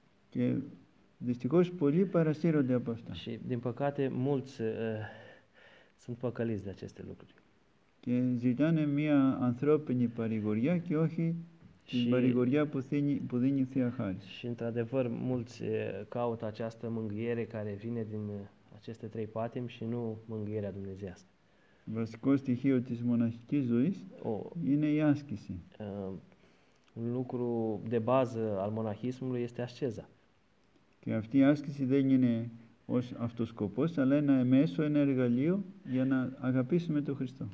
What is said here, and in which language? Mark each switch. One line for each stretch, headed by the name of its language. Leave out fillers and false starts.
Greek: Και δυστυχώς πολλοί παρασύρονται από αυτά.
Romanian: Și din păcate mulți sunt păcăliți de aceste lucruri.
Greek: Και ζητάνε μία ανθρώπινη παρηγοριά και όχι την παρηγοριά που δίνει η Θεία Χάρη.
Romanian: Și într-adevăr mulți caută această mângâiere care vine din aceste trei patimi și nu mângâierea dumnezeiască.
Greek: Βασικό στοιχείο της μοναχικής ζωής είναι η άσκηση.
Romanian: Un lucru de bază al monahismului este asceza.
Greek: Και αυτή η άσκηση δεν είναι ως αυτοσκοπός, αλλά ένα μέσο, ένα εργαλείο για να αγαπήσουμε τον Χριστό.